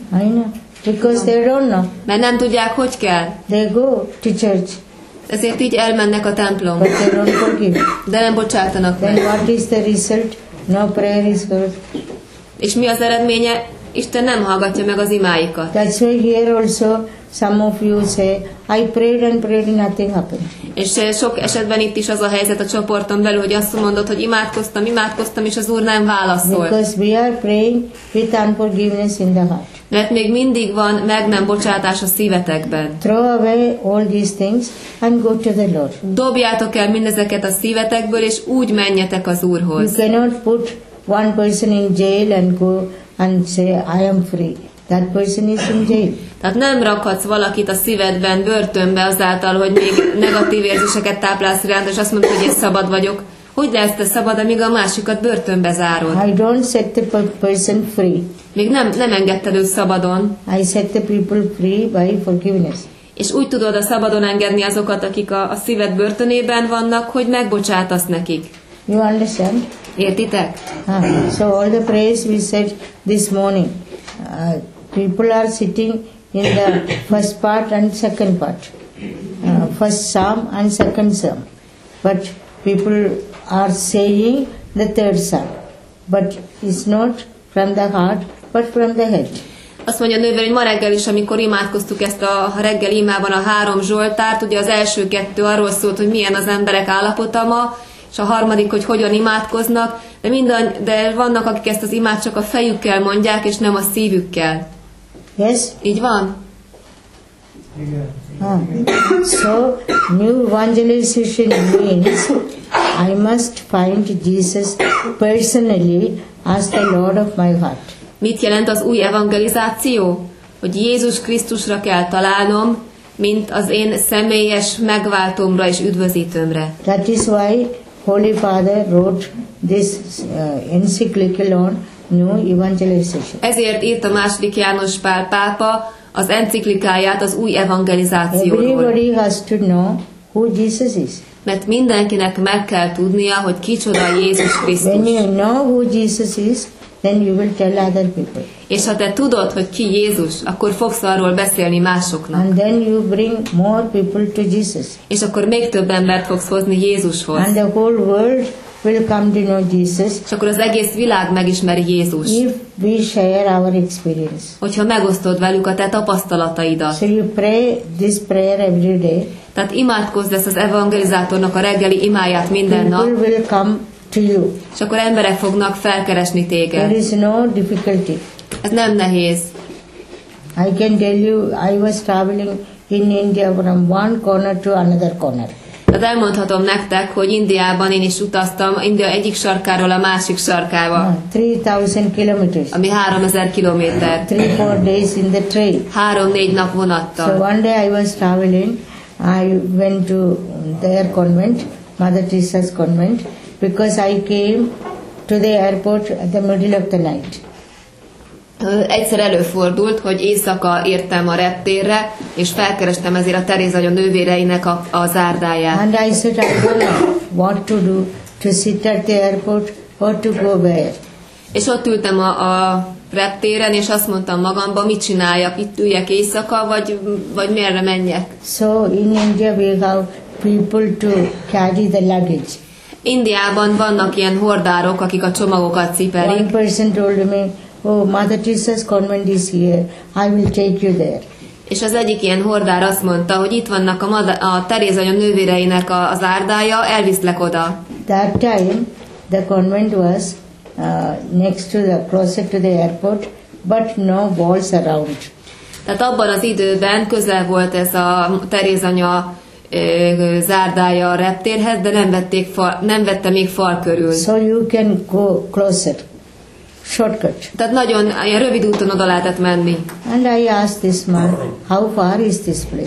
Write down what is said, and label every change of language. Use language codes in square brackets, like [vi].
[en] I know. Because they don't know. [hu] Mert nem tudják, hogy kell. [en] They go to church. [hu] Ezért így elmennek a templom. [en] But they don't forgive. [hu] De nem bocsátanak [en] then [hu] meg. [en] Then what is the result? No prayer is heard. [hu] És mi az eredménye? Isten nem hallgatja meg az imáikat. [en] That's why here also some of you say, I prayed and nothing happened. [hu] És sok esetben itt is az a helyzet a csoporton belül, hogy azt mondod, hogy imádkoztam, és az Úr nem válaszol. [en] Because we are praying with unforgiveness in the heart. [hu] Mert még mindig van meg nem bocsátás a szívetekben. [en] Throw away all these things and go to the Lord. [hu] Dobjátok el mindezeket a szívetekből, és úgy menjetek az Úrhoz. [en] You cannot put one person in jail and go and say, I am free. That person is in jail. [hu] Tehát nem rakhatsz valakit a szívedben börtönbe azáltal, hogy még negatív érzéseket táplálsz iránt, és azt mondod, hogy én szabad vagyok. Hogy lesz te szabad, amíg a másikat börtönbe zárod? [en] I don't set the person free. [hu] Még nem engedted őt szabadon. [en] I set the people free by forgiveness. [hu] És úgy tudod a szabadon engedni azokat, akik a szíved börtönében vannak, hogy megbocsátasz nekik. [en] You understand? [hu] Értitek? [en] So all the prayers we said this morning, people are sitting in the first part and second part, first psalm and second psalm, but people are saying the third psalm, but it's not from the heart, but from the head. [hu] Azt mondja a nővér, hogy ma reggel is, amikor imádkoztuk ezt a reggel imában a három zsoltárt, ugye az első kettő arról szólt, hogy milyen az emberek állapota ma, és a harmadik, hogy hogyan imádkoznak, de vannak, akik ezt az imát csak a fejükkel mondják, és nem a szívükkel. [en] Yes? [hu] Így van? Igen. [en] So, new evangelization means I must find Jesus personally as the Lord of my heart. [hu] Mit jelent az új evangelizáció? hogy Jézus Krisztusra kell találnom, mint az én személyes megváltómra és üdvözítőmre. [en] That is why Holy Father wrote this encyclical on new evangelization. [hu] Ezért írt a második János Pál pápa az enciklikáját az új evangelizációról. [en] Everybody has to know who Jesus is. [hu] Mert mindenkinek meg kell tudnia, hogy kicsoda Jézus Krisztus. [en] When you know who Jesus is, then you will tell other people. [hu] És ha te tudod, hogy ki Jézus, akkor fogsz arról beszélni másoknak. [en] And then you bring more people to Jesus. [hu] És akkor még több embert fogsz hozni Jézushoz. [en] And the whole world will come to know Jesus. [hu] És akkor az egész világ megismeri Jézust. [en] If we share our experience. [hu] Hogyha megosztod velük a te tapasztalataidat. [en] So you pray this prayer every day. [hu] Tehát imádkozz ezt az evangelizátornak a reggeli imáját minden nap. [en] People will come to you. [hu] És akkor emberek fognak felkeresni téged. [en] There is no difficulty. [hu] Ez nem nehéz. [en] I can tell you, I was traveling in India from one corner to another corner. [hu] Tehát elmondhatom nektek, hogy Indiában én is utaztam, India egyik sarkáról a másik sarkába. 3000 kilométeres. Ami 3000 kilométer. [en] 3-4 days in the train. [hu] 3-4 nap vonattal. [en] So one day I was traveling, I went to their convent, Mother Teresa's convent, because I came to the airport at the middle of the night. [hu] Egyszer előfordult, hogy éjszaka értem a reptérre, és felkerestem ezért a Teréz anya nővéreinek a zárdáját. [en] And I said, I don't know what to do, to sit at the airport or to go where. [hu] És ott ültem a reptéren, és azt mondtam magamban, mit csináljak, itt üljek éjszaka, vagy merre menjek. [en] So in India we have people to carry the luggage. [hu] Indiában vannak ilyen hordárok, akik a csomagokat cipelik. [en] One person told me, oh, Mother Teresa's convent is here, I will take you there. [hu] És az egyik ilyen hordár azt mondta, hogy itt vannak a Teréz anya nővéreinek a zárdája, elviszlek oda. [en] That time the convent was next to the closer to the airport, but no walls around. [hu] Tehát abban az időben közel volt ez a Teréz anya zárdája a reptérhez, de nem vette még fal körül. [en] So you can go closer. Shortcut. [hu] Tehát nagyon ilyen rövid úton oda lehetett menni. [en] And I asked this man, how far is this place?